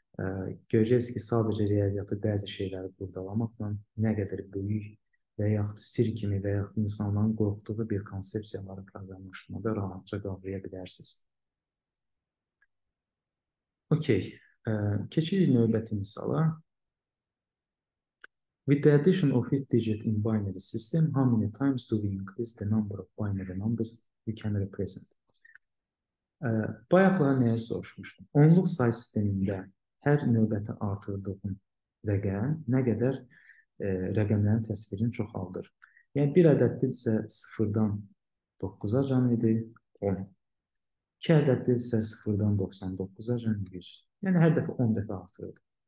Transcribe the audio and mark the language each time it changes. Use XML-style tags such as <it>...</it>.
<az>Görəcəksiniz ki, sadəcə riyaziyyatı bəzi şeyləri qurdalamaqla nə qədər böyük və yaxud sir kimi və yaxud insanların qorxduğu bir konsepsiyaları proqramlaşdırmada rahatca qavraya bilərsiniz. Okey. Keçirik növbəti misala.</az> <en>With the addition of 8 digit in binary system, how many times do we increase the number of binary numbers we can represent?</en> <az>Bayaqlar nəyə soruşmuşdum? Onluq say sistemində hər növbəti artırdığım rəqəm nə qədər rəqəmlərin təsvirini çoxaldır? Yəni, bir ədəddirsə 0-dan 9-a cəm idi, 10. 2 ədəddirsə 0-dan 99-a cəm 100. Yəni, hər dəfə 10 dəfə artırdım.</az>